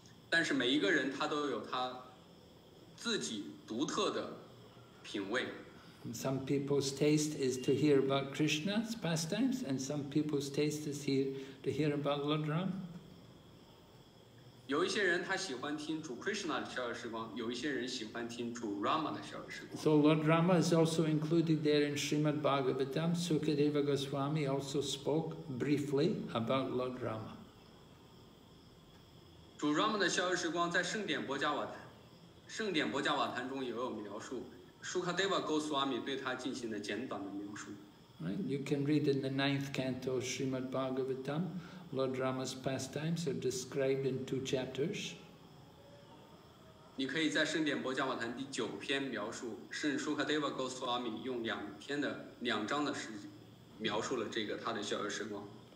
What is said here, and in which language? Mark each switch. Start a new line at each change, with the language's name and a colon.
Chinese: 但是每一个人他都有他自己独特的品味。
English: Some people's taste is to hear about Krishna's pastimes, and some people's taste is here to hear about Lord Rama.
Chinese: 有一些人他喜欢听主 Krishna 的逍遥时光，有一些人喜欢听主 Rama 的逍遥时光。
English: So Lord Rama is also included there in Srimad Bhagavatam. Sukadeva Goswami also spoke briefly about Lord Rama.
Chinese: 主 Rama 的逍遥时光在圣典波迦瓦坛，圣典波迦瓦坛中也有描述。 Sukadeva Goswami 对他进行了简短的描述。
English: Right, you can read in the ninth canto of Srimad Bhagavatam, Lord Rama's pastimes are described in two chapters.
Chinese: 你可以在圣典波迦瓦坛第九篇描述，圣 Sukadeva Goswami 用两篇的两章的时描述了这个他的逍遥时光。